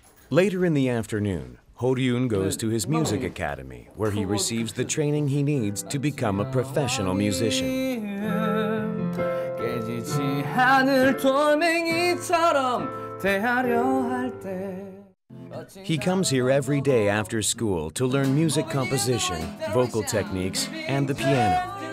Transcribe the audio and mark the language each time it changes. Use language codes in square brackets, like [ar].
[en] Later in the afternoon, Ho-ryun goes to his music academy, where he receives the training he needs to become a professional musician. [ko] 깨지지 않을 돌멩이처럼 대하려 할 때 [en] He comes here every day after school to learn music composition, vocal techniques, and the piano.